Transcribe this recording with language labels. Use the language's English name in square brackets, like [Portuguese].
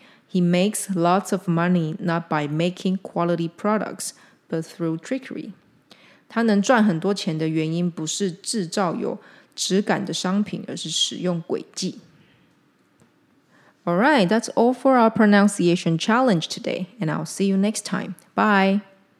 [English] He makes lots of money not by making quality products but through trickery. [Chinese] 他能赚很多钱的原因不是制造有质感的商品，而是使用诡计。 [English] Alright, that's all for our pronunciation challenge today, and I'll see you next time. Bye!